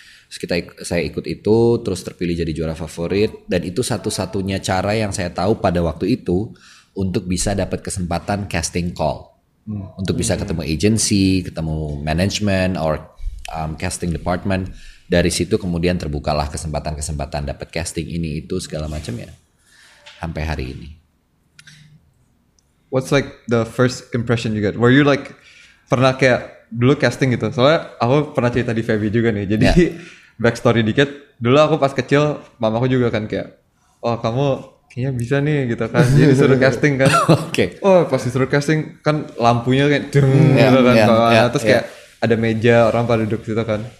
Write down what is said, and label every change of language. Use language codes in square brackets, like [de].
[id] Terus saya ikut itu, terus terpilih jadi juara favorit, dan itu satu-satunya cara yang saya tahu pada waktu itu untuk bisa dapat kesempatan casting call, untuk bisa ketemu agency, ketemu [en] management or casting department. [id] Dari situ kemudian terbukalah kesempatan-kesempatan dapat casting ini itu segala macam ya, sampai hari ini. [en] What's like the first impression you get? Were you like [id] pernah kayak dulu casting gitu? Soalnya aku pernah cerita di Feby juga nih. Jadi backstory dikit, dulu aku pas kecil mamaku juga kan kayak, oh kamu kayaknya bisa nih gitu kan, jadi suruh casting kan. Oke. Okay. Oh pas disuruh casting kan lampunya kayak dung gitu kan, terus kayak ada meja orang pada duduk gitu kan.